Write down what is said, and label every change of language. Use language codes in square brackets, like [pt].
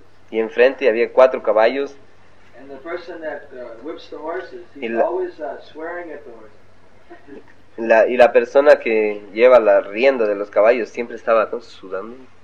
[es] Y enfrente había 4 caballos. [en] And the person that whips the horses, he's always swearing at the horses. [es] Y la persona que lleva la rienda de los caballos siempre estaba sudando.